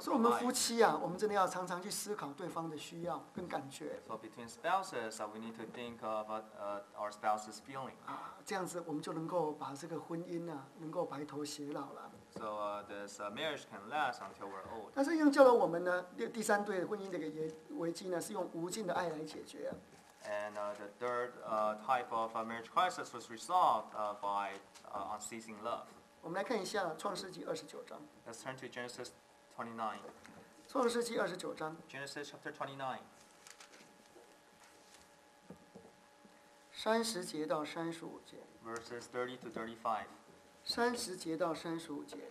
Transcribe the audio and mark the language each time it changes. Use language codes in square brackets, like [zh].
[zh] 所以我们夫妻啊，我们真的要常常去思考对方的需要跟感觉。 [en] So between spouses, we need to think about our spouse's feeling. [zh] 这样子我们就能够把这个婚姻啊，能够白头偕老了。 [en] So this marriage can last until we're old. [zh] 但是用教导我们呢，第三对婚姻的危机呢，是用无尽的爱来解决。 [en] And the third type of marriage crisis was resolved by unceasing love. [zh] 我们来看一下创世纪二十九章。 [en] Let's turn to Genesis 29. [zh] 创世纪二十九章。 [en] Genesis chapter [zh] 29. 三十节到三十五节。 [en] Verses 30 to 35. [zh] 三十节到三十五节。